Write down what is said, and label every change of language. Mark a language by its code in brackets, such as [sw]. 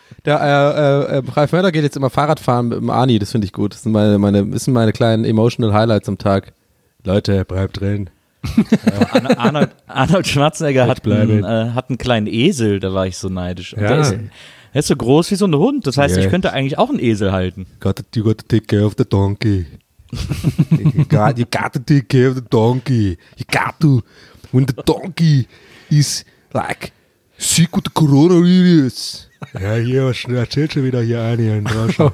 [de] Der Ralf Möller geht jetzt immer Fahrrad fahren mit dem Arni, das finde ich gut. Das sind meine kleinen emotional Highlights am Tag. Leute, bleibt drin. Arnold Schwarzenegger hat einen kleinen Esel, da war ich so neidisch. Ja. Der ist so groß wie so ein Hund, das heißt, ich könnte eigentlich auch einen Esel halten. [en] You got to take care of the donkey. You got to take care of the donkey. You got to. When the donkey is like sick with the coronavirus. [de] Ja, hier, was erzählt schon wieder hier eine in Deutschland.